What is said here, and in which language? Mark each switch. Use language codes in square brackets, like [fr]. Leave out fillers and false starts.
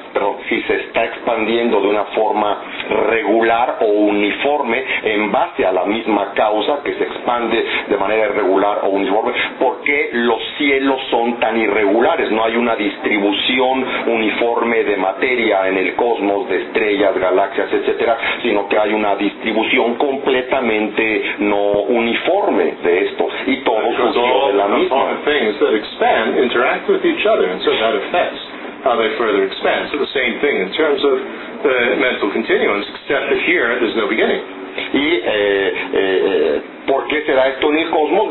[es] pero si se está expandiendo de una forma regular o uniforme en base a la misma causa que se expande de manera irregular o uniforme, ¿por qué los cielos son tan irregulares? No hay una distribución uniforme de materia en el cosmos, de estrellas, galaxias, etcétera, sino que hay una distribución completamente no uniforme de esto, y todo surgió de la misma. [en] Things that expand interact with each other, and so that affects how they further expand. So the same thing in terms of the mental continuums, except that here there's no beginning. [es] Y ¿por qué será esto en el cosmos?